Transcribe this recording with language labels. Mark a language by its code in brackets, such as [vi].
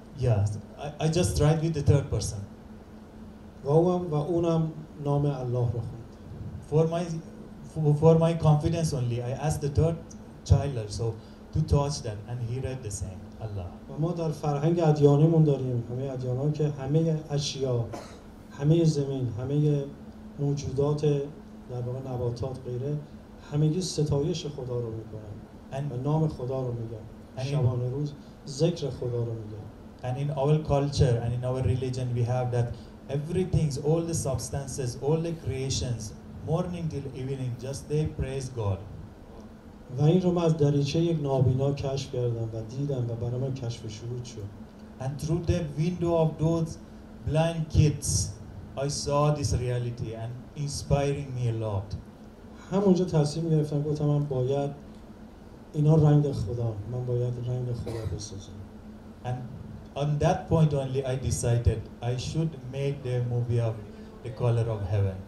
[en] Yes, I just tried with the third person. [fa] و اونم نام الله رو خوند. [en] for my confidence only, I asked the third child also to touch them, and he read the same. Allah. [fa] و ما در فرهنگ ادیانمون داریم همه ادیان که همه اشیا همه زمین همه موجودات در واقع نباتات غیره همگی ستایش خدا رو میکنن و نام خدا رو میگن شبانه روز ذکر خدا رو میگن. [en] And in our culture and in our religion we have that everything, all the substances, all the creations, morning till evening, just they praise God. [fa] و این رو من از دریچه یک نابینا کشف کردم و دیدم و برای من کشف شروع شد. [en] And through the window of those blind kids, I saw this reality and inspiring me a lot. [fa] همونجا تصمیم گرفتم گفتم من باید اینا رنگ خدا من باید رنگ خدا بسازم. [en] And on that point only I decided I should make the movie of the color of heaven.